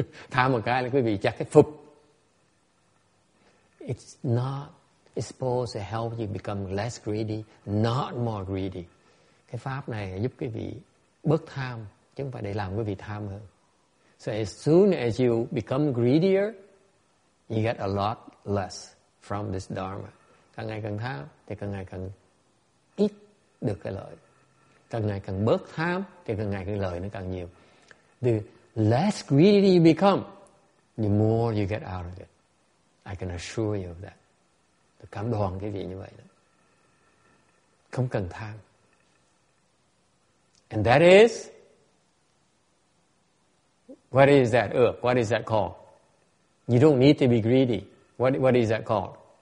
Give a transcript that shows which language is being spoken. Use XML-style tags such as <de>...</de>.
<vi>Tham một cái là quý vị chắc cái phục.</vi> <en>It's not, it's supposed to help you become less greedy, not more greedy.</en> <vi>Cái pháp này giúp quý vị bớt tham, chứ không phải để làm quý vị tham hơn.</vi> <en>So as soon as you become greedier, you get a lot less from this dharma.</en> <vi>Càng ngày càng tham, thì càng ngày càng ít được cái lợi. Càng ngày càng bớt tham, thì càng ngày càng lợi nó càng nhiều.</vi> <en>The less greedy you become, the more you get out of it. I can assure you of that.</en> <vi>Tôi cảm đoàn cái vị như vậy đó. Không cần tham.</vi> <en>And that is, what is that? What is that called? You don't need to be greedy. What is that called?</en>